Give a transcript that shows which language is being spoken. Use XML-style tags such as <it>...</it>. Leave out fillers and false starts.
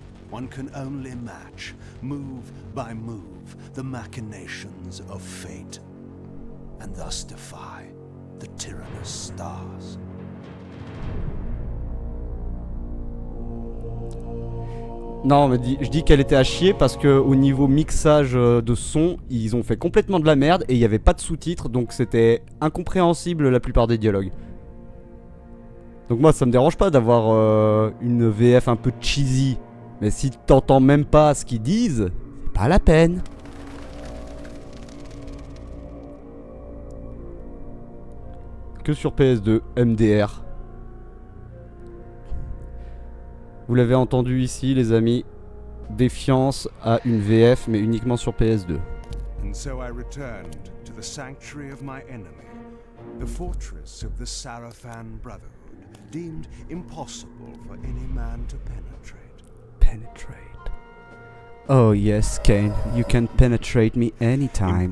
<en>One can only match, move by move, the machinations of fate, and thus defy the tyrannous stars.</en> <fr>Non, mais je dis qu'elle était à chier parce que au niveau mixage de son, ils ont fait complètement de la merde et il n'y avait pas de sous-titres, donc c'était incompréhensible la plupart des dialogues. Donc moi, ça me dérange pas d'avoir une VF un peu cheesy. Mais si t'entends même pas ce qu'ils disent, c'est pas la peine. Que sur PS2, MDR. Vous l'avez entendu ici, les amis. Défiance à une VF, mais uniquement sur PS2.</fr> <en>And so I returned to the sanctuary of my enemy, the fortress of the Sarafan Brotherhood, deemed impossible for any man to penetrate. Penetrate. Oh yes, Kane, you can penetrate me anytime.</en>